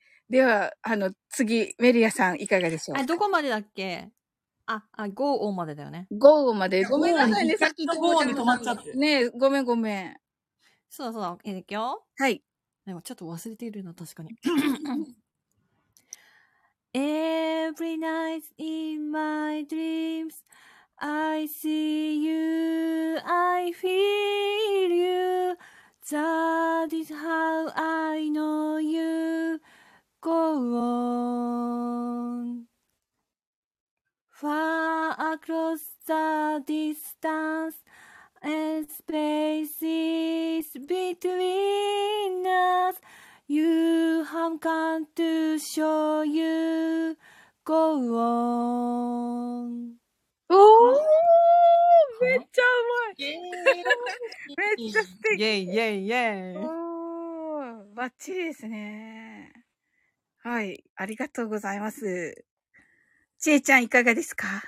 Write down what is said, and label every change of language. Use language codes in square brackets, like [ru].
[ja] では、あの、次、メリアさん、いかがでしょうか。あ、どこまでだっけ？あ、ゴーオンまでだよね。ゴーオンまで。ごめんなさいね、さっきゴーオンに止まっちゃって。ねえ、ごめんごめん。そうそう、いいよ。はい。でもちょっと忘れているな、確かに。 [en] Every night in my dreams, I see you, I feel you, that is how I know you, go on. Far across the distance,And spaces between us, you have come to show you go on. [ja] おーめっちゃうまいめっちゃ素敵イエイイエイイエイバッチリですね。はい、ありがとうございます。ちえちゃんいかがですか？